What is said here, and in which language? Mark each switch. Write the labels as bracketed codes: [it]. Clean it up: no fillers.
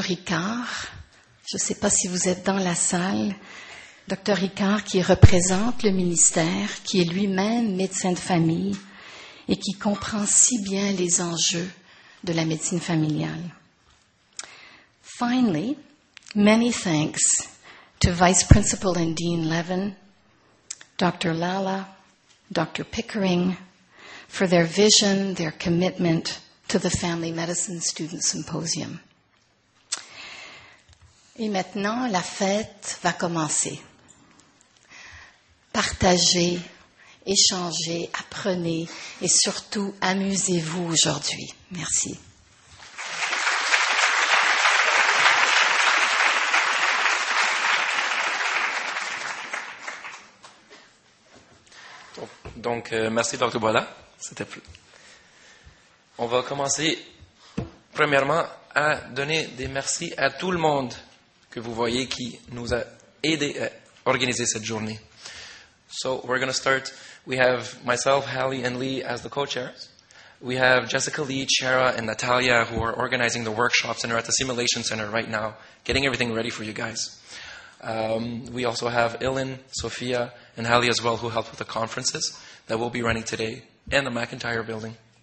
[fr] Ricard, je ne sais pas si vous êtes dans la salle, Dr. Ricard qui représente le ministère, qui est lui-même médecin de famille et qui comprend si bien les enjeux de la médecine familiale. [en] Finally, many thanks to Vice Principal and Dean Levin, Dr. Lala, Dr. Pickering, for their vision, their commitment to the Family Medicine Student Symposium. [fr] Et maintenant, la fête va commencer. Partagez, échangez, apprenez et surtout amusez-vous aujourd'hui. Merci. Donc, merci, Dr. Boila. C'était plus. On va commencer, premièrement, à donner des merci à tout le monde que vous voyez qui nous a aidés à organiser cette journée. [en] So, we're going to start. We have myself, Hallie, and Lee as the co-chairs. We have Jessica Lee, Chera, and Natalia, who are organizing the workshop center at the Simulation Center right now, getting everything ready for you guys. We also have Ilan, Sophia, and Hallie as well, who helped with the conferences that we'll be running today in the McIntyre building.